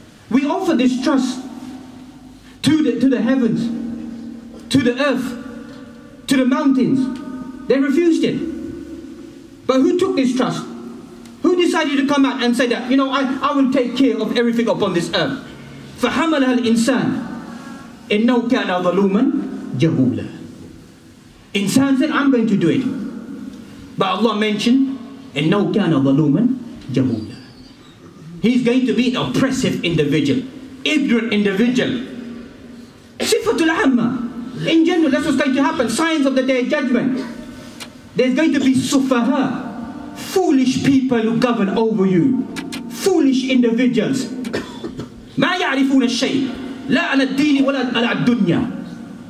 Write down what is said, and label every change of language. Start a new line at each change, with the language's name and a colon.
English: We offer this trust to the heavens, to the earth, to the mountains. They refused it. But who took this trust? Who decided to come out and say that, you know, I will take care of everything upon this earth?
Arabic: فَحَمَلَهَا الْإِنسَانِ إِنَّوْ كَانَ ظَلُومًا جَهُولًا.
English: Insan said, I'm going to do it. But Allah mentioned,
Arabic: إِنَّوْ كَانَ ظَلُومًا جَهُولًا.
English: He's going to be an oppressive individual, ignorant individual.
Arabic: Sifatul amma.
English: In general, that's what's going to happen. Signs of the Day of Judgment. There's going to be sufaha, foolish people who govern over you. Foolish individuals.
Arabic: مَا يَعْرِفُونَ الشَّيْءِ لَا عَلَى الدِّينِ وَلَا عَلَى الدُّنْيَا.